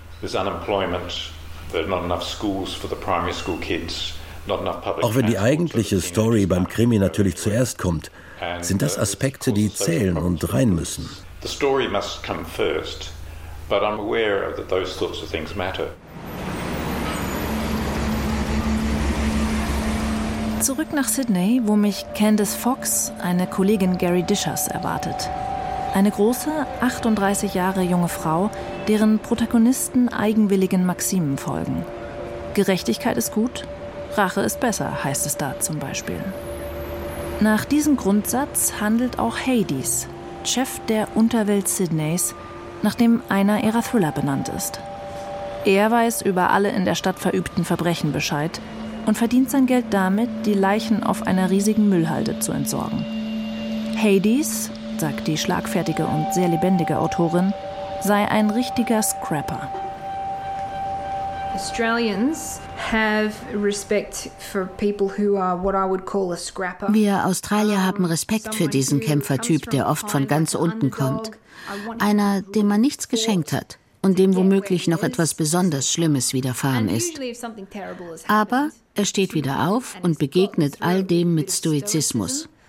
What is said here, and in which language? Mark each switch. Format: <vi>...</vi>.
<de>Auch wenn die eigentliche Story beim Krimi natürlich zuerst kommt, sind das Aspekte, die zählen und rein müssen.</de> <en>The story must come first, but I'm aware that those sorts of things matter.</en> <de>Zurück nach Sydney, wo mich Candice Fox, eine Kollegin Gary Dishers, erwartet. Eine große, 38 Jahre junge Frau, deren Protagonisten eigenwilligen Maximen folgen. Gerechtigkeit ist gut, Rache ist besser, heißt es da zum Beispiel. Nach diesem Grundsatz handelt auch Hades, Chef der Unterwelt Sydneys, nach dem einer ihrer Thriller benannt ist. Er weiß über alle in der Stadt verübten Verbrechen Bescheid und verdient sein Geld damit, die Leichen auf einer riesigen Müllhalde zu entsorgen. Hades, sagt die schlagfertige und sehr lebendige Autorin, sei ein richtiger Scrapper.</de> <en>Australians have respect for people who are what I would call a scrapper.</en> <de>Wir Australier haben Respekt für diesen Kämpfertyp, der oft von ganz unten kommt. Einer, dem man nichts geschenkt hat und dem womöglich noch etwas besonders Schlimmes widerfahren ist. Aber er steht wieder auf und begegnet all dem mit Stoizismus.</de>